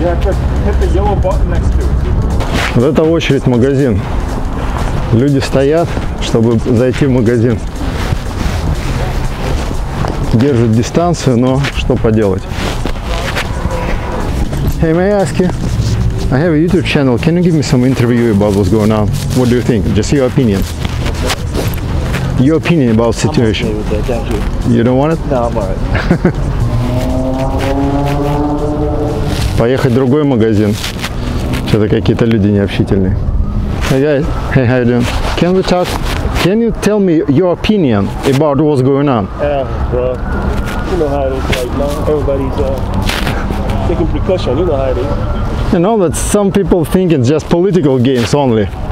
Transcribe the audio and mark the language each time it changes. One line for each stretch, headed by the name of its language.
English: You have to hit the yellow button next to it.
Russian: Вот это очередь магазин. Люди стоят, чтобы зайти в магазин. Держат дистанцию, но что поделать.
English: Hey, may I ask you? I have a YouTube channel. Can you give me some interview about what's going on? What do you think? Just your opinion. Your opinion about situation. I'm okay with that, thank you. You don't want it? No, I'm alright.
Russian: Поехать в другой магазин. Что-то какие-то люди необщительные.
English: Hey guys, hey, how you doing? Can we talk? Can you tell me your opinion about what's going on? Bro, you know how it is right now. Everybody's taking precaution. You know how it is. You know that some people think it's just political games only.